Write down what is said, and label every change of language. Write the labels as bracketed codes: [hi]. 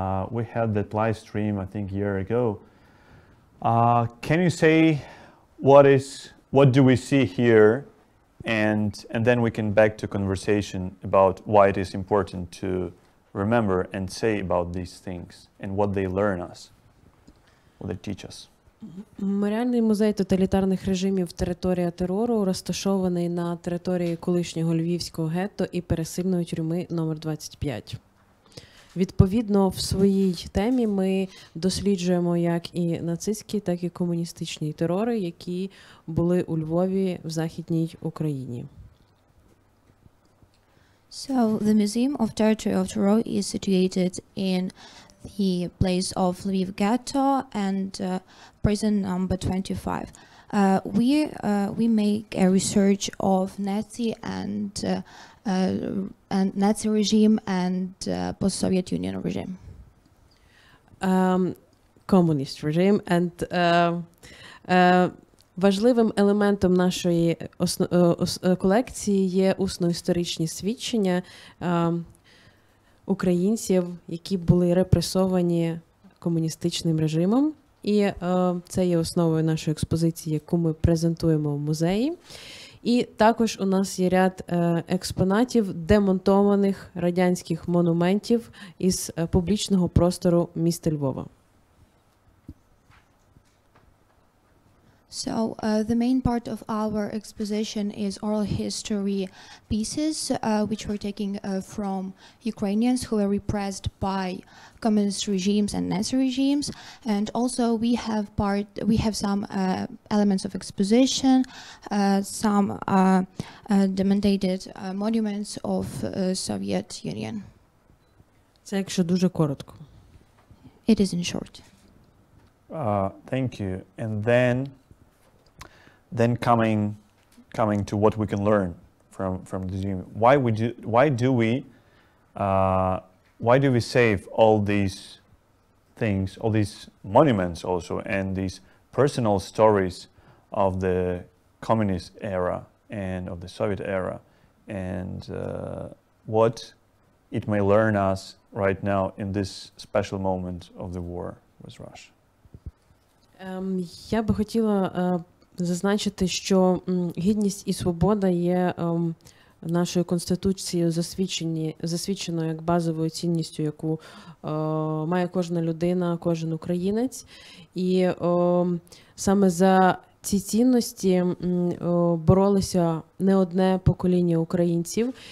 [en] We had that live stream, I think, a year ago. Can you say what do we see here? And then we can back to conversation about why it is important to remember and say about these things and what they learn us, what they teach us. [uk] Меморіальний музей тоталітарних режимів «Територія терору» розташований на території колишнього львівського гетто і пересильної тюрми номер 25. Відповідно, в своїй темі ми досліджуємо як і нацистські, так і комуністичні терори, які були у Львові в Західній Україні. [en] So, the Museum of Territory of Terror is situated in the place of Lviv ghetto and prison number 25. We make a research of Nazi and Nazi regime and post-Soviet Union regime. Communist regime. [uk] And важливим елементом нашої колекції є усноісторичні свідчення українців, які були репресовані комуністичним режимом. І це є основою нашої експозиції, яку ми презентуємо в музеї. І також у нас є ряд експонатів демонтованих радянських монументів із публічного простору міста Львова. [en] So the main part of our exposition is oral history pieces, which we're taking from Ukrainians who were repressed by communist regimes and Nazi regimes. And also we have part, we have some elements of exposition, some demandated monuments of Soviet Union. [uk] Це якщо дуже коротко. [en] It is in short. Thank you. And then coming to what we can learn from the museum. Why do we save all these things, all these monuments also, and these personal stories of the communist era and of the Soviet era, and what it may learn us right now in this special moment of the war with Russia? [uk] Я би хотіла зазначити, що гідність і свобода є нашою конституцією засвідченою як базовою цінністю, яку має кожна людина, кожен українець. І саме за ці цінності боролися не одне покоління українців.